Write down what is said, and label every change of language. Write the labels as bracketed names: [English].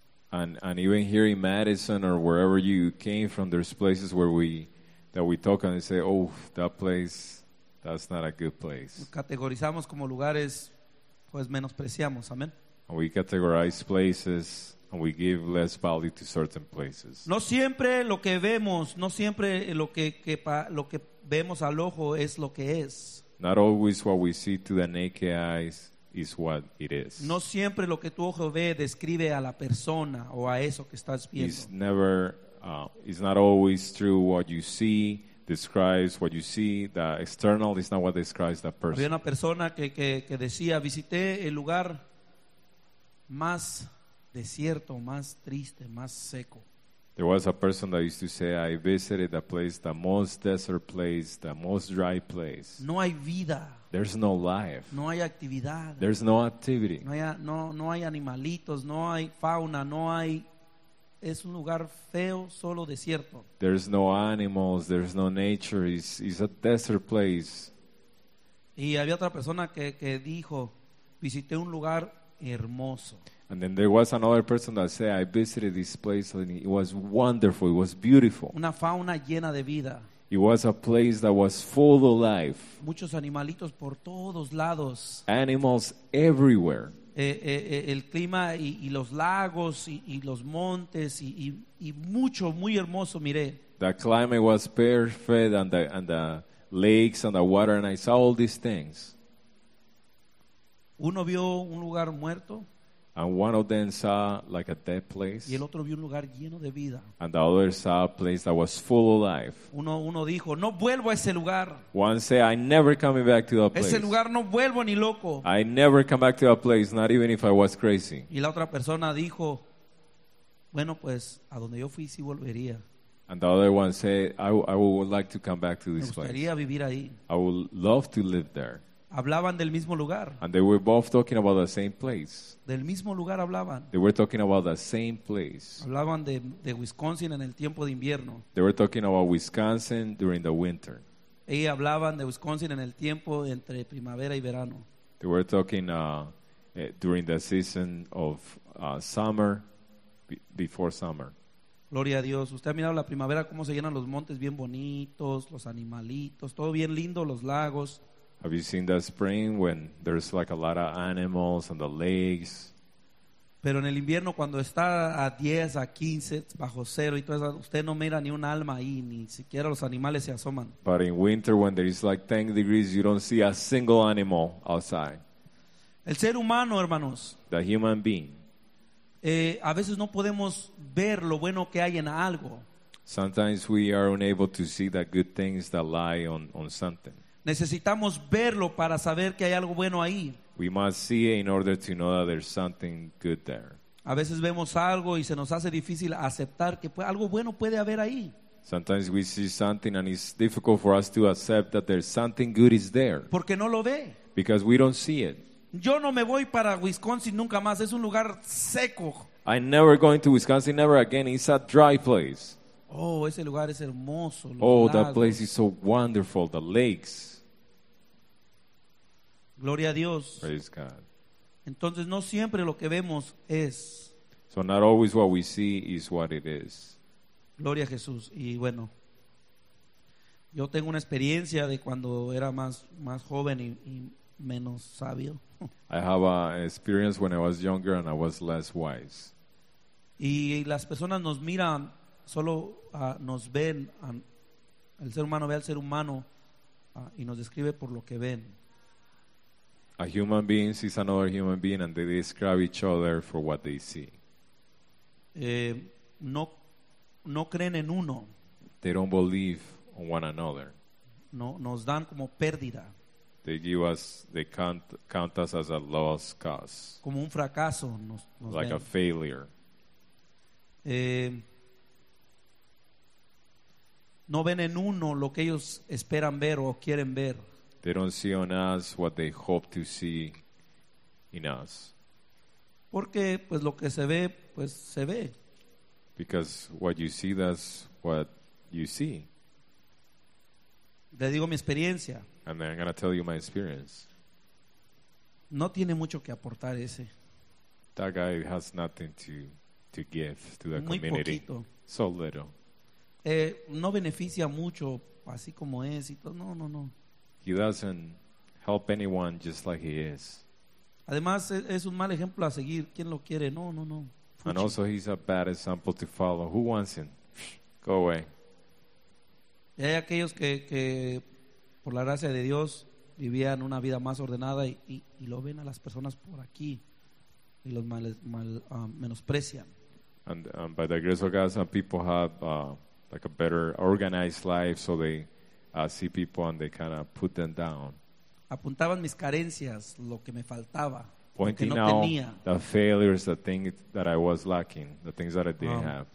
[English] And even here in Madison or wherever you came from, there's places where we talk and say, oh, that place, that's not a good place. [Spanish] Categorizamos como lugares, pues menospreciamos, amén. [English] And we categorize places. And we give less value to certain places. [Spanish] No siempre lo que vemos, no siempre lo que vemos al ojo es lo que es. [English] Not always what we see to the naked eyes is what it is. [Spanish] No siempre lo que tu ojo ve describe a la persona o a eso que estás viendo. [English] It's not always true what you see describes what you see. The external is not what describes the person. [Spanish] Había una persona que decía, visité el lugar más desierto, más triste, más seco. [English] There was a person that used to say, I visited a place, the most desert place, the most dry place. [Spanish] No hay vida. [English] There's no life. [Spanish] No hay actividad. [English] There's no activity. [Spanish] No hay animalitos, no hay fauna, no hay. Es un lugar feo, solo desierto. [English] There's no animals, there's no nature. It's a desert place. [Spanish] Y había otra persona que dijo, visité un lugar hermoso. [English] And then there was another person that said, I visited this place and it was wonderful, it was beautiful. [Spanish] Una fauna llena de vida. [English] It was a place that was full of life. [Spanish] Muchos animalitos por todos lados. [English] Animals everywhere. [Spanish] El clima y los lagos y los montes y mucho, muy hermoso, miré. [English] The climate was perfect and the lakes and the water, and I saw all these things. [Spanish] Uno vio un lugar muerto. [English] And one of them saw like a dead place. [Spanish] Y el otro vio un lugar lleno de vida. [English] And the other saw a place that was full of life. [Spanish] Uno dijo, no vuelvo a ese lugar. [English] One said, I never come back to that place. [Spanish] Ese lugar no vuelvo ni loco. [English] I never come back to that place, not even if I was crazy. [Spanish] Y la otra persona dijo, bueno, pues, a donde yo fui sí volvería. [English] And the other one said, I would like to come back to this place. [Spanish] Me gustaría vivir ahí. [English] I would love to live there. [Spanish] Hablaban del mismo lugar. [English] And they were both talking about the same place. [Spanish] Del mismo lugar hablaban. [English] They were talking about the same place. [Spanish] Hablaban de Wisconsin en el tiempo de invierno. [English] They were talking about Wisconsin during the winter. [Spanish] Y hablaban de Wisconsin en el tiempo entre primavera y verano. [English] They were talking during the season of summer, before summer. [Spanish] Gloria a Dios. Usted ha mirado la primavera, cómo se llenan los montes bien bonitos, los animalitos, todo bien lindo, los lagos. [English] Have you seen that spring when there's like a lot of animals and the lakes? [Spanish] Pero en el invierno cuando está a 10, a 15, bajo cero y todo eso, usted no mira ni un alma ahí, ni siquiera los animales se asoman. [English] But in winter when there is like 10 degrees, you don't see a single animal outside. [Spanish] El ser humano, hermanos. [English] The human being. [Spanish] A veces no podemos ver lo bueno que hay en algo. [English] Sometimes we are unable to see the good things that lie on something. [Spanish] Necesitamos verlo para saber que hay algo bueno ahí. [English] We must see it in order to know that there's something good there. [Spanish] A veces vemos algo y se nos hace difícil aceptar que algo bueno puede haber ahí. [English] Sometimes we see something and it's difficult for us to accept that there's something good is there. [Spanish] Porque no lo ve. [English] Because we don't see it. [Spanish] Yo no me voy para Wisconsin nunca más. Es un lugar seco. [English] I'm never going to Wisconsin never again. It's a dry place. [Spanish] Oh, ese lugar es hermoso. Oh, lagos. [English] That place is so wonderful. The lakes. [Spanish] Gloria a Dios. [English] Praise God. [Spanish] Entonces, no siempre lo que vemos es. [English] So So not always what we see is what it is. [Spanish] Gloria a Jesús. Y bueno, yo tengo una experiencia de cuando era más joven y menos sabio. [English] I have an experience when I was younger and I was less wise. [Spanish] Y las personas nos miran, solo nos ven, el ser humano ve al ser humano y nos describe por lo que ven. [English] A human being sees another human being and they describe each other for what they see. [Spanish] No creen en uno. [English] They don't believe on one another. [Spanish] No, nos dan como pérdida. [English] They count us as a lost cause. [Spanish] Como un fracaso. Nos [English] like [Spanish] ven. [English] A failure. [Spanish] No ven en uno lo que ellos esperan ver o quieren ver. [English] They don't see on us what they hope to see in us. [Spanish] Porque pues lo que se ve, pues se ve. [English] Because what you see, that's what you see. [Spanish] Le digo mi experiencia. [English] And then I'm going to tell you my experience. [Spanish] No tiene mucho que aportar ese. [English] That guy has nothing to give to the [Spanish] Muy [English] community. [Spanish] Poquito. [English] So little. [Spanish] No beneficia mucho, así como es. Y todo. No. [English] He doesn't help anyone just like he is. [Spanish] Además, es un mal ejemplo a seguir. ¿Quién lo quiere? No. Fuchi. [English] And also, he's a bad example to follow. Who wants him? Go away. [Spanish] Y hay aquellos que por la gracia de Dios, vivían una vida más ordenada y lo ven a las personas por aquí y los menosprecian. [English] And by the grace of God, some people have like a better organized life, so they see people and they kind of put them down. [Spanish] Apuntaban mis carencias, lo que me faltaba, [English] pointing [Spanish] lo que no [English] out [Spanish] tenía. [English] The failures, the things that I was lacking, the things that I didn't have.